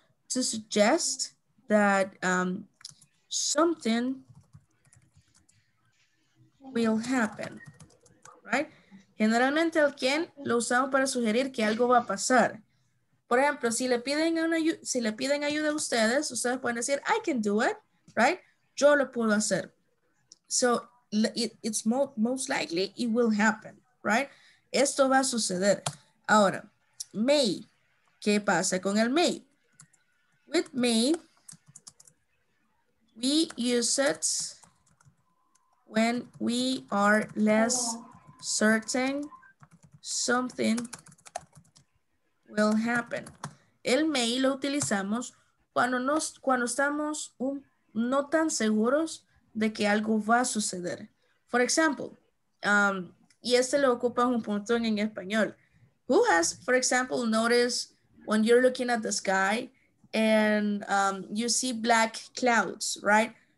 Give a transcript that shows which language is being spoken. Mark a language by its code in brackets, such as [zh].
[en] To suggest that something will happen, right? [es] Generalmente el can lo usamos para sugerir que algo va a pasar. Por ejemplo, si le piden una, si le piden ayuda a ustedes, ustedes pueden decir, I can do it, right? Yo lo puedo hacer. [en] So, it's most likely it will happen, right? [es] Esto va a suceder. Ahora, may. ¿Qué pasa con el may? [en] With may, we use it when we are less certain something will happen. [es] El may lo utilizamos cuando, cuando estamos no tan seguros de que algo va a suceder. For example, y este lo ocupa un montón en español. [en] Who has, for example, noticed when you're looking at the sky and you see black clouds, right?